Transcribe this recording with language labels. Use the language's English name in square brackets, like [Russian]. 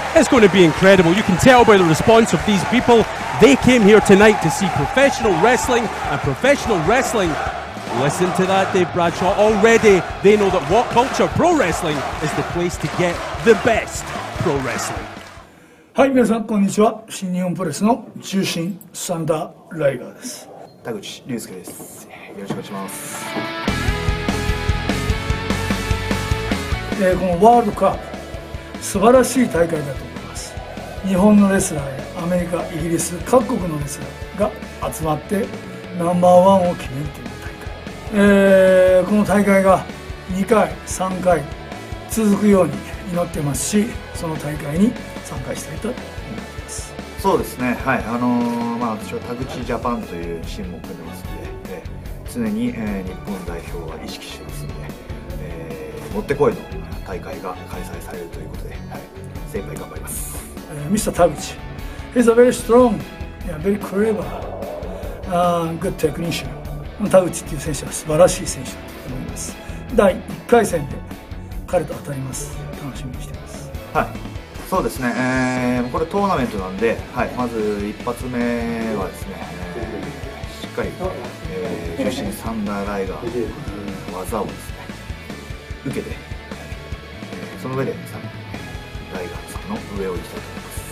[English] It's going to be incredible. You can tell by the response of these people. They came here tonight to see professional wrestling and professional wrestling. Listen to that, Dave Bradshaw. Already, they know that WhatCulture Pro Wrestling is the place to get the best pro wrestling. [Japanese] はい、皆さん、こんにちは。新日本プロレスの中心、サンダー・ライガーです。田口隆介です。よろしくお願いします。このワールドカップ、素晴らしい大会だと思います。日本のレスラーやアメリカ、イギリス、各国のレスラーが集まってナンバーワンを決めるという大会。この大会が2回、3回続くように祈ってますし、その大会に参加したいと思います。そうですね、はい、まあ、私は田口ジャパンというチームを組んでますので、常に、日本代表は意識してますので、持ってこいの大会が開催されるということで、はい、精一杯頑張ります。 [English] ミスター田口 He's a very strong, yeah, very clever, good technician. [Japanese] 田口っていう選手は素晴らしい選手だと思います。第1回戦で彼と当たります。楽しみにしています。はい、そうですね、これトーナメントなんで、はい、まず一発目はですね、しっかり、ジュシンサンダーライガーの技をですね受けて、その上でライガーさんの上を行きたいと思います。